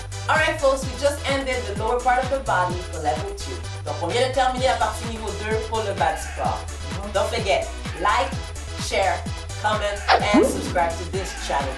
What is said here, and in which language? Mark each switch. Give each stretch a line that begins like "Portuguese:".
English: All right, folks, we just ended the lower part of the body for level 2.
French: Donc, on vient de terminer la partie niveau 2 pour le back squat.
English: Don't forget, like, share, comment, and subscribe to this channel.